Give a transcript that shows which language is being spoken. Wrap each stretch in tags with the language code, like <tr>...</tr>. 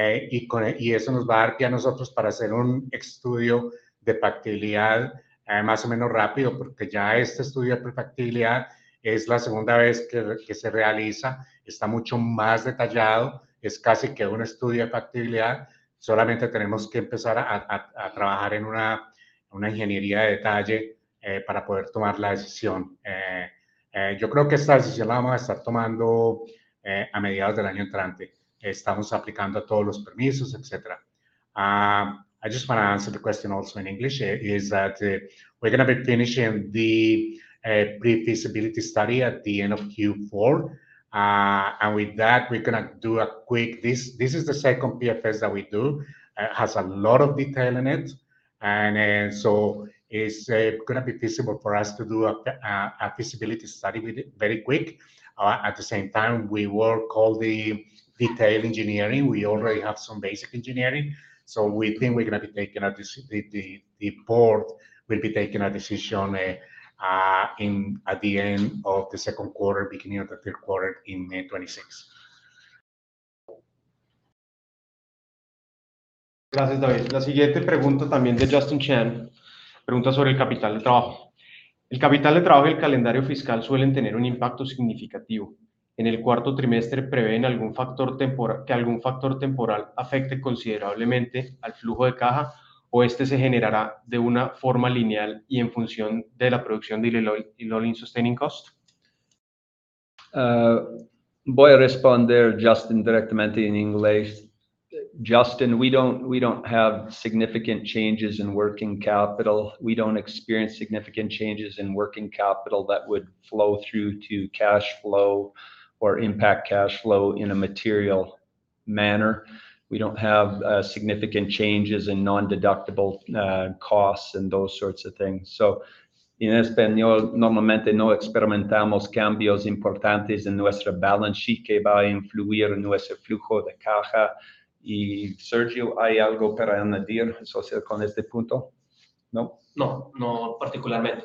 <es>y eso nos va a dar pie a nosotros para hacer un estudio de factibilidad más o menos rápido, porque ya este estudio de prefactibilidad es la segunda vez que se realiza, está mucho más detallado, es casi que un estudio de factibilidad, solamente tenemos que empezar a trabajar en una ingeniería de detalle para poder tomar la decisión. Yo creo que esta decisión la vamos a estar tomando a mediados del año entrante. Estamos aplicando a todos los permisos, etc.</es> <en>I just want to answer the question also in English. Is that we're going to be finishing the pre-feasibility study at the end of Q4. And with that, we're going to do a quick... This is the second PFS that we do. It has a lot of detail in it. And so it's going to be feasible for us to do a feasibility study very quick. At the same time, we work all the detail engineering. We already have some basic engineering. So we think we're going to be taking a decision, the board will be taking a decision at the end of the second quarter, beginning of the third quarter in May 26.</en> <es>Gracias, David. La siguiente pregunta también de Justin Chen, pregunta sobre el capital de trabajo. El capital de trabajo y el calendario fiscal suelen tener un impacto significativo. ¿En el cuarto trimestre prevén algún factor temporal afecte considerablemente al flujo de caja o este se generará de una forma lineal y en función de la producción del all-in sustaining cost? Voy a responder Justin directamente en inglés.</es> <en>Justin, we don't have significant changes in working capital. We don't experience significant changes in working capital that would flow through to cash flow or impact cash flow in a material manner. We don't have significant changes in non-deductible costs and those sorts of things.</en> <es>So en español, normalmente no experimentamos cambios importantes en nuestra balance sheet que va a influir en nuestro flujo de caja. Y Sergio, ¿hay algo para añadir asociado con este punto? No particularmente.</es>